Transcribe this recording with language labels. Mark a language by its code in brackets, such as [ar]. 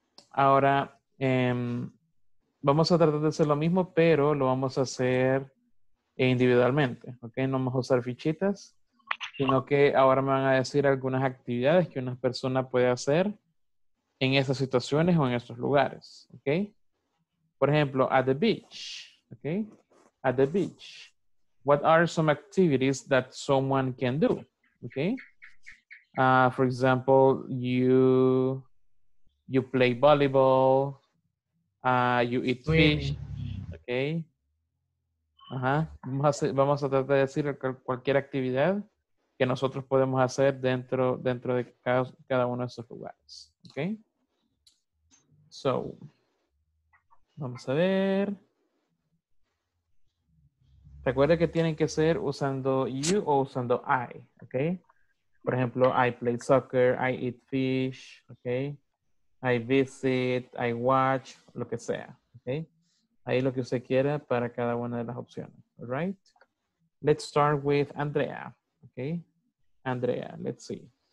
[es] Ahora, vamos a tratar de hacer lo mismo, pero lo vamos a hacer individualmente, ¿ok? No vamos a usar fichitas, sino que ahora me van a decir algunas actividades que una persona puede hacer en esas situaciones o en esos lugares, ¿ok? Por ejemplo, [en] at the beach, [es] ¿ok? [en] At the beach, what are some activities that someone can do? Okay. For example, you play volleyball. You eat fish. Okay. [es] Vamos a tratar de decir cualquier actividad que nosotros podemos hacer dentro de cada uno de esos lugares. Okay. So, vamos a ver. Recuerda que tienen que ser usando you o usando I. Okay. Por ejemplo, [en] I play soccer, I eat fish, okay? I visit, I watch, [es] lo que sea, [en] okay? [es] Ahí lo que usted quiera para cada una de las opciones, [en] all right? Let's start with Andrea, okay? Andrea, let's see.